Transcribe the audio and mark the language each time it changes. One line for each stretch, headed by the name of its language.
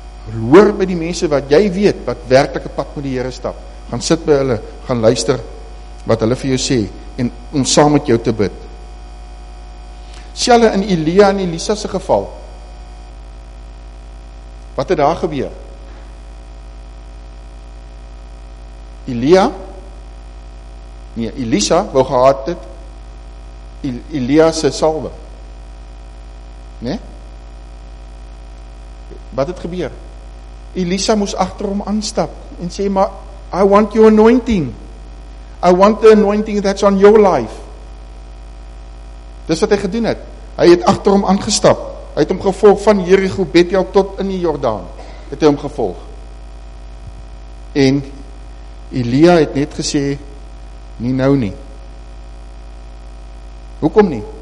Afrikaans: Hoor by die mense wat jy weet, wat werklike pad met die Here stap, gaan sit by hulle, gaan luister, wat hulle vir jou sê, en om saam met jou te bid. Selle in Elia en Elisa se geval, wat het daar gebeur? Elisa wou gehad het, Elia se salwe. Nee? Wat het gebeur? Elisa moes agter hom aanstap en sê, maar
English: I want your anointing. I want the anointing that's on your life.
Afrikaans: Dis wat hy gedoen het. Hy het agter hom aangestap. Hy het hom gevolg van Jericho, Bethel tot in die Jordaan. Het hy hom gevolg. En Elia het net gesê, nie nou nie. Hoekom nie?